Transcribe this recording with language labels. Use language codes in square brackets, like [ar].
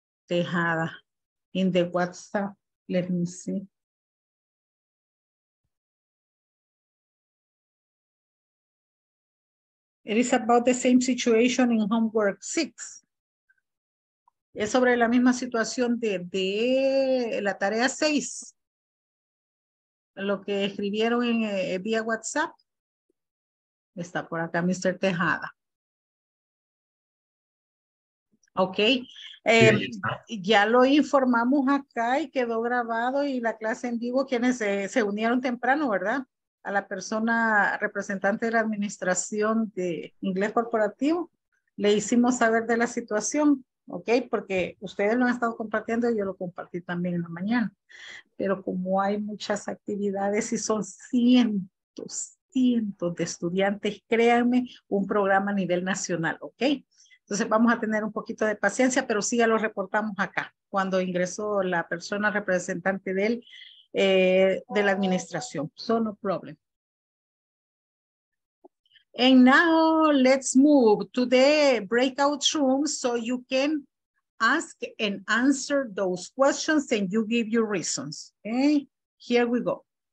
[en] Tejada, in the WhatsApp, let me see. It is about the same situation in homework 6. [es] Es sobre la misma situación de la tarea 6. Lo que escribieron en vía WhatsApp. Está por acá, Mr. Tejada. Okay, ya lo informamos acá y quedó grabado y la clase en vivo, quienes se unieron temprano, ¿verdad? A la persona representante de la administración de Inglés Corporativo, le hicimos saber de la situación, okay, porque ustedes lo han estado compartiendo y yo lo compartí también en la mañana, pero como hay muchas actividades y son cientos de estudiantes, créanme, un programa a nivel nacional, okay. Entonces vamos a tener un poquito de paciencia, pero sí ya lo reportamos acá, cuando ingresó la persona representante de él, de la administración. [en] So no problem. And now let's move to the breakout room so you can ask and answer those questions and you give your reasons. Okay, here we go.